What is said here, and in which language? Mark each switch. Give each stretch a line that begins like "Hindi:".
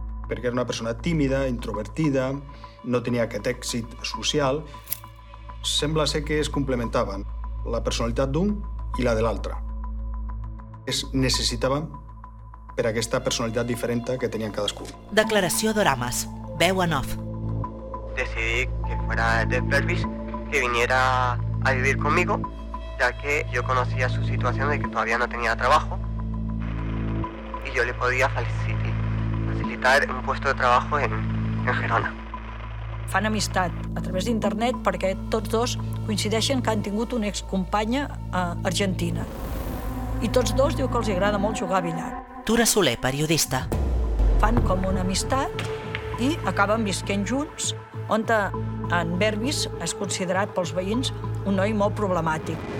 Catalan: Perquè era una persona tímida, introvertida, no tenia aquest èxit social. Sembla ser que es complementaven la personalitat d'un i la de l'altre. Es necessitaven per aquesta personalitat diferent que tenien cadascú. Declaració Doramas, veu en off.
Spanish: Decidí que fuera de Verbis que viniera a vivir conmigo, ya que yo conocía su situación de que todavía no tenía trabajo y yo le podía facilitar un puesto de trabajo en Gerona.
Catalan: Fan amistat a través d'internet perquè tots dos coincideixen que han tingut una excompanya a Argentina. I tots dos diu que els agrada molt jugar a billar. Tura Soler, periodista. Fan com una amistat i acaben visquent junts, on en Verbis és considerat pels veïns un noi molt problemàtic.